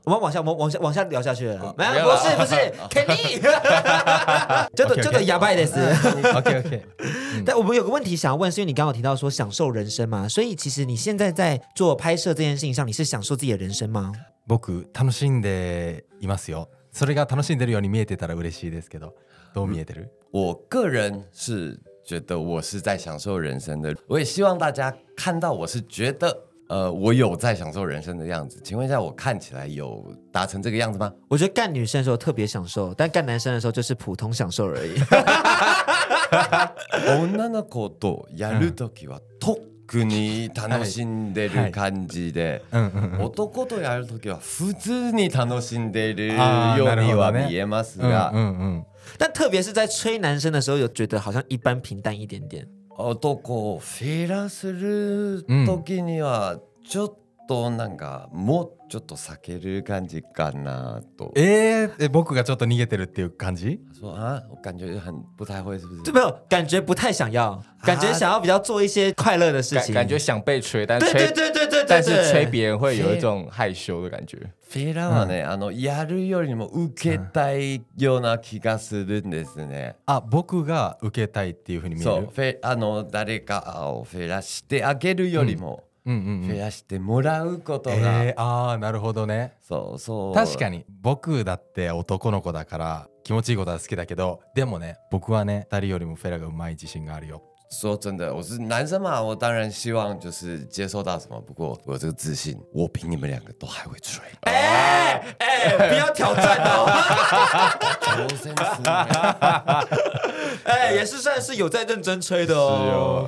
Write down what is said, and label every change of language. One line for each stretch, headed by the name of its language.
Chinese: 我们往下，我们往下聊下去了。没有，不是 ，Kenny， 这个哑巴的是。 OK。但我们有个问题想要问，是因为你刚好提到说享受人生嘛，所以其实你现在在做拍摄这件事情上，你是享受自己的人生吗？
Japanese: 僕楽しんでいますよ。それが楽しんでるように見えてたら嬉しいですけど、どう見えてる？
Chinese: 我个人是觉得我是在享受人生的，我也希望大家看到我是觉得，我有在享受人生的样子。请问一下，我看起来有达成这个样子吗？我觉得干女生的时候特别享受，但干男生的时候就是普通享受而已。
Japanese: 女の子とやるときは特特に楽しんでる感じで、はい、男とやるときは普通に楽しんでるようには見えますが、
Chinese: 但特別是在吹男生的時候有覺得好像一般平淡一點點。
Japanese: 男をフィラするときにはちょっとなんかもうちょっと避ける感じかなと。僕がちょっと逃げてるっていう感じ？
Chinese: そう、あ、我感觉很不太会是不是？对，没有，感觉不太想要，感觉想要比较做一些快乐的事情。感觉想被吹，但吹，对，但是吹别人会有一种害羞的感觉。
Japanese: フィラはね、あのやるよりも受けたいような気がするんですね。あ、僕が受けたいっていうふうに見える。そう、フィ、あの誰かをフィラしてあげるよりも。増やしてもらうことが、ああなるほどね。そうそう、確かに僕だって男の子だから気持ちいいことは好きだけど、でもね、僕はね、二人よりもフェラがうまい自信があるよ。
Chinese: 说真的，我是男生嘛，我当然希望就是接受到什么。不过我这个自信，我比你们两个都还会吹。不要挑战哦。挑战是。也是算是有在认真吹的哦。